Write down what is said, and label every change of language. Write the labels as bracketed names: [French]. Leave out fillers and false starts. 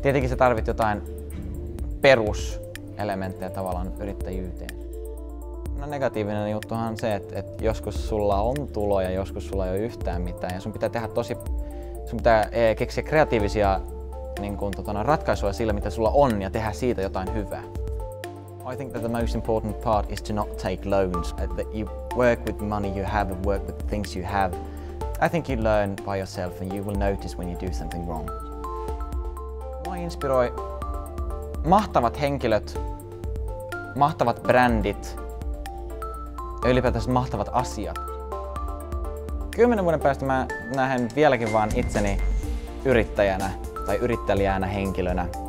[Finnish] Tietenkin sä tarvit jotain peruselementtejä tavallaan yrittäjyyteen. No negatiivinen juttuhan on se, että joskus sulla on tuloja, joskus sulla ei ole yhtään mitään ja sun pitää tehdä tosi sun pitää keksiä kreatiivisia niin kuin, ratkaisuja sillä, mitä sulla on, ja tehdä siitä jotain hyvää. [English] I think that the most important part is to not take loans. That you work with the money you have and work with the things you have. I think you learn by yourself and you will notice when you do something wrong. [Finnish] Mua inspiroi mahtavat henkilöt, mahtavat brändit ja ylipäätänsä mahtavat asiat. 10 vuoden päästä mä näen vieläkin vaan itseni yrittäjänä tai yrittäjänä henkilönä.